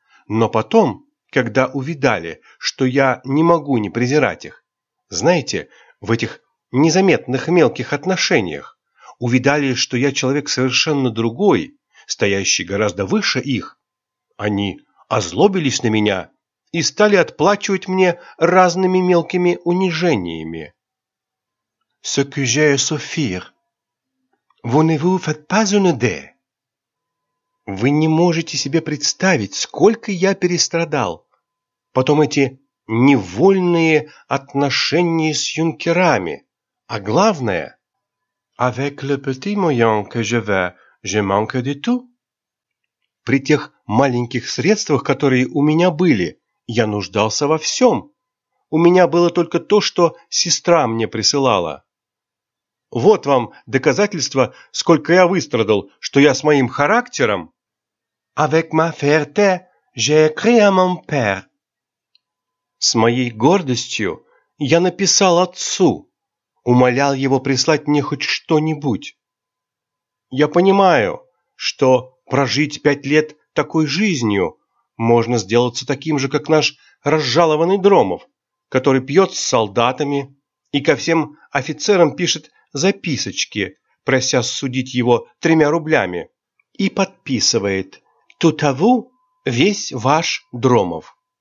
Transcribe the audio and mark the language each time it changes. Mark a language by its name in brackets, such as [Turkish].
[Russian] Но потом, когда увидали, что я не могу не презирать их, знаете, в этих незаметных мелких отношениях, увидали, что я человек совершенно другой, стоящий гораздо выше их, они озлобились на меня и стали отплачивать мне разными мелкими унижениями. [French] «Ce que j'ai souffert, vous ne vous faites pas une idée?» [Russian] «Вы не можете себе представить, сколько я перестрадал. Потом эти невольные отношения с юнкерами. А главное...» [French] «Avec le petit moyen que je vais, je manque de tout?» [Russian] «При тех маленьких средствах, которые у меня были, я нуждался во всем. У меня было только то, что сестра мне присылала. Вот вам доказательство, сколько я выстрадал, что я с моим характером...» [French] «Avec ma fierté, j'ai écrit à mon père». [Russian] «С моей гордостью я написал отцу, умолял его прислать мне хоть что-нибудь. Я понимаю, что прожить 5 лет такой жизнью можно сделаться таким же, как наш разжалованный Дромов, который пьет с солдатами и ко всем офицерам пишет записочки, прося судить его 3 рублями, и подписывает «Тутаву весь ваш Дромов».